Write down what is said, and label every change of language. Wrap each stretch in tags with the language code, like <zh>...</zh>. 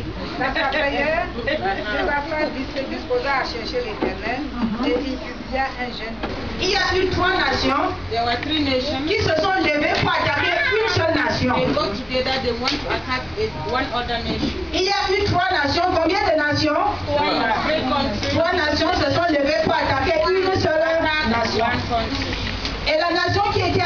<fr>Dans sa prière, il se disposa à chercher l'Éternel et il publia un jeûne. Il y a eu trois nations,</fr> <en>there were three nations</en> <fr>qui se sont levées pour attaquer une seule nation.</fr> <en>They go together, they want to attack one other nation.</en> <fr>Il y a eu trois nations. Combien de nations? Trois nations se sont levées pour attaquer une seule nation. Et la nation qui</fr>